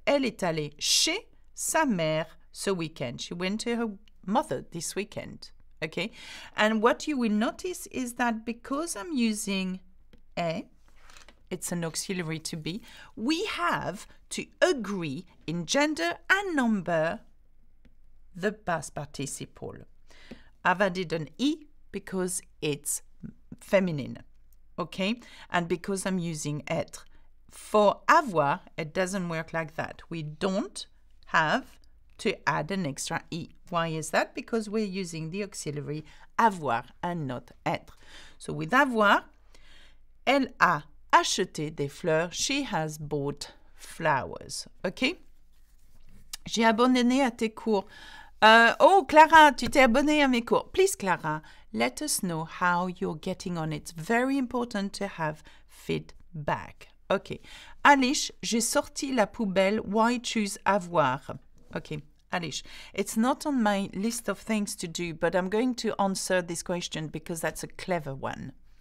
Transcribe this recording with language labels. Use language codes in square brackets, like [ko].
[fr] Elle est allée chez sa mère ce weekend. [en] She went to her mother this weekend, okay? And what you will notice is that because I'm using est, it's an auxiliary to be, we have to agree in gender and number the past participle. I've added an e because it's feminine, okay? And because I'm using être. For avoir, it doesn't work like that. We don't have to add an extra E. Why is that? Because we're using the auxiliary avoir and not être. So with [fr] avoir, elle a acheté des fleurs. [en] She has bought flowers. Okay? [fr] J'ai abonné à tes cours. Oh, Clara, tu t'es abonné à mes cours. [en] Please, Clara, let us know how you're getting on. It's very important to have feedback. Okay. [fr] Alish, j'ai sorti la poubelle. [en] Why choose avoir? Okay. Alish, it's not on my list of things to do, but I'm going to answer this question because that's a clever one.